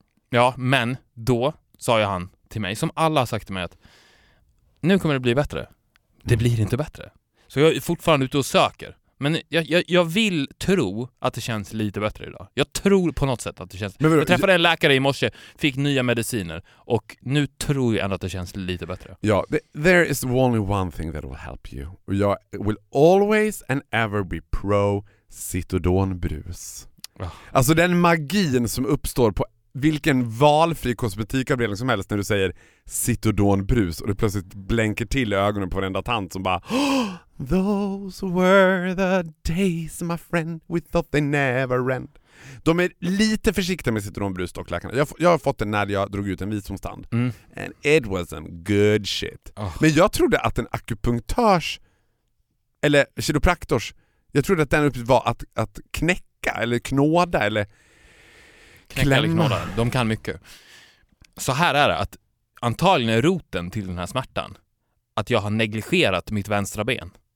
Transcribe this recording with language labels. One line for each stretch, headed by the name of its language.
Swedish: Ja, men då sa ju han till mig, som alla har sagt till mig, att nu kommer det bli bättre. Det blir inte bättre. Så jag är fortfarande ute och söker. Men jag vill tro att det känns lite bättre idag. Jag tror på något sätt att det känns... Jag träffade en läkare i morse, fick nya mediciner. Och nu tror jag ändå att det känns lite bättre.
English: Ja, there is only one thing that will help you. Jag will always and ever be pro Citodon brus.
Swedish: Alltså den magin som uppstår på vilken valfri kosmetikavdelning som helst när du säger Citodon brus och du plötsligt blänker till ögonen på varenda tant som bara...
English: Those were the days, my friend. We thought they never end.
Swedish: De är lite försiktiga med citronbrus och läkarna. Jag har fått det när jag drog ut en visdomstand. Mm.
English: And it was some good shit.
Swedish: Men jag trodde att en akupunktörs eller kiropraktors, jag trodde att den uppgift var att knäcka eller knåda eller klämma. Knäcka eller knåda, de kan mycket. Så här är det, att antagligen är roten till den här smärtan att jag har negligerat mitt vänstra ben.